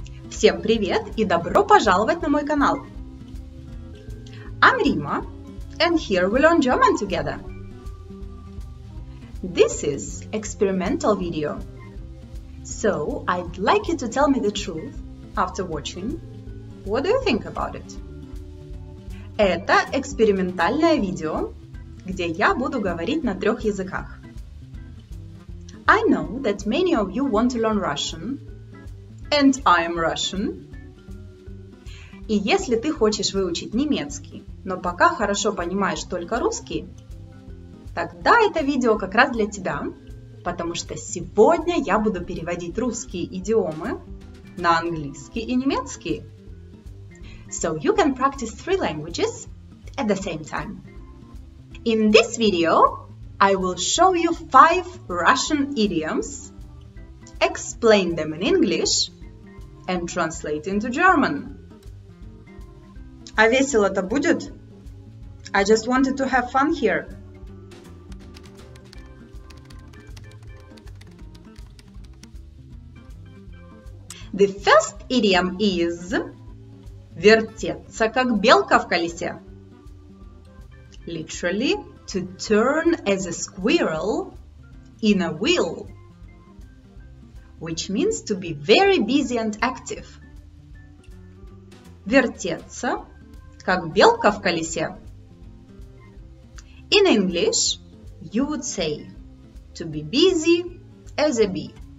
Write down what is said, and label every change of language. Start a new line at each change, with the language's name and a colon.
Russian: Всем привет и добро пожаловать на мой канал!
English: I'm Rima, and here we learn German together. This is experimental video. So, I'd like you to tell me the truth after watching. What do you think about it?
Russian: Это экспериментальное видео, где я буду говорить на трех языках.
English: I know that many of you want to learn Russian, and I am Russian.
Russian: И если ты хочешь выучить немецкий, но пока хорошо понимаешь только русский, тогда это видео как раз для тебя, потому что сегодня я буду переводить русские идиомы на английский и немецкий.
English: So you can practice three languages at the same time. In this video, I will show you five Russian idioms, explain them in English and translate into German.
Russian: А весело-то будет?
English: I just wanted to have fun here. The first idiom is
Russian: вертеться как белка в колесе.
English: Literally, to turn as a squirrel in a wheel, which means to be very busy and active.
Russian: Вертеться, как белка в колесе.
English: In English, you would say to be busy as a bee.